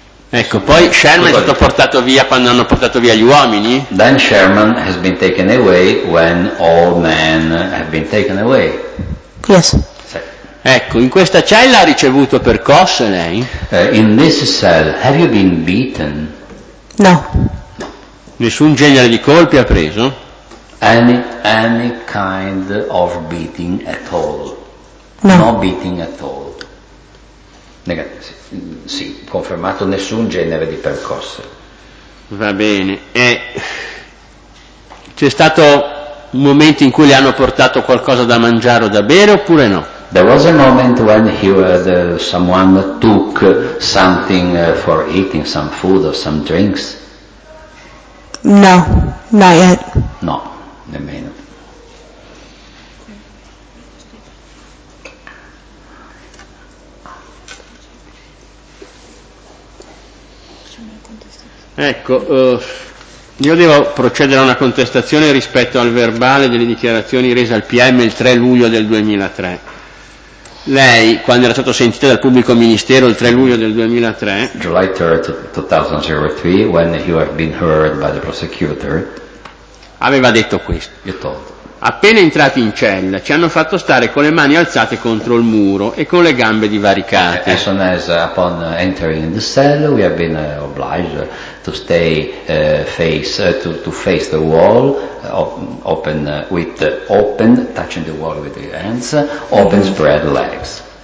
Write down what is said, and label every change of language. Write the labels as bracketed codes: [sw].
[it] Ecco, poi Sherman è stato portato via quando hanno portato via gli uomini. [en] Then Sherman has been taken away when all men have been taken away. Yes. [it] Sì. Ecco, in questa cella ha ricevuto percosse lei? [en] In this cell have you been beaten? No. [it] Nessun genere di colpi ha preso? [en] Any kind of beating at all? No. No beating at all. [it] Negativo. Sì, confermato, nessun genere di percosse. Va bene. E c'è stato un momento in cui le hanno portato qualcosa da mangiare o da bere oppure no? [en] There was a moment when someone took something for eating, some food or some drinks. No, not yet. [it] No, nemmeno. Ecco, io devo procedere a una contestazione rispetto al verbale delle dichiarazioni rese al PM il 3 luglio del 2003. Lei, quando era stato sentito dal pubblico ministero il 3 luglio del 2003, [en] July 3, 2003, when you have been heard by the prosecutor, [it] aveva detto questo. [en] You told. [it] Appena entrati in cella, ci hanno fatto stare con le mani alzate contro il muro e con le gambe divaricate. [en] As soon as upon entering the cell, we have been obliged to stay face the wall, touching the wall with the hands, open spread legs.